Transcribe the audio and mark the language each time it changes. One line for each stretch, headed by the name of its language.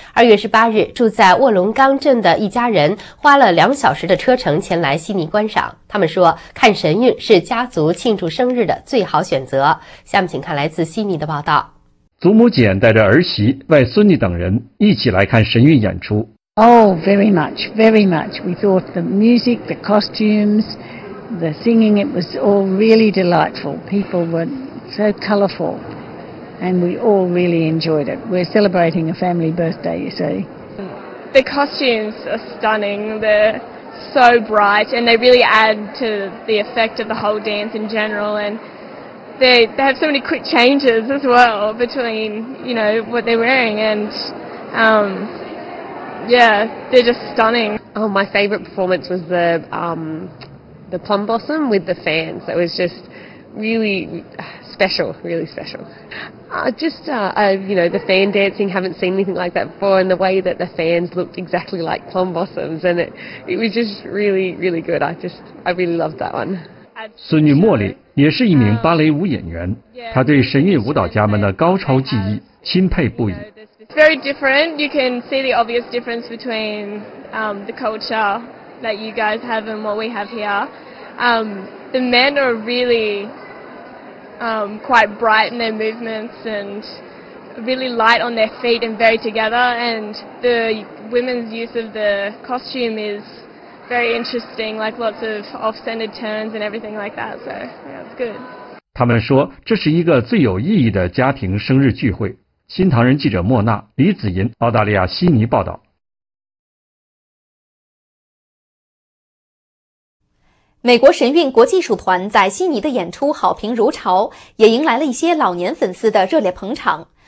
Chinese: 2月18日住在卧龙岗镇的一家人花了两小时的车程前来悉尼观赏，他们说看神韵是家族庆祝生日的最好选择。下面请看来自悉尼的报道。祖母简带着儿媳、外孙女等人一起来看神韵演出。
English: Oh, very much, very much. We thought the music, the costumes, the singing, it was all really delightful. People were so colourful, and we all really enjoyed it. We're celebrating a family birthday, you see. The costumes are stunning. They're so bright, and they really add to the effect of the whole dance in general, and they have so many quick changes as well between, you know, what they're wearing and... Yeah, they're just stunning. Oh, my favourite performance was the Plum Blossom with the fans. That was just really special, really special. The fan dancing, haven't seen anything like that before, and the way that the fans looked exactly like Plum Blossoms, and it was just really, really good. I really loved that one.
Chinese: 孙女茉莉也是一名芭蕾舞演员，她对神韵舞蹈家们的高超技艺钦佩不已。
English: It's very different. You can see the obvious difference between the culture that you guys have and what we have here. The men are really quite bright in their movements and really light on their feet and very together. And the women's use of the costume is very interesting, like lots of off-centered turns and everything like that. So, yeah, it's good.
Chinese: 他们说这是一个最有意义的家庭生日聚会。新唐人记者莫娜、李子银，澳大利亚悉尼报道。美国神韵国际艺术团在悉尼的演出好评如潮，也迎来了一些老年粉丝的热烈捧场。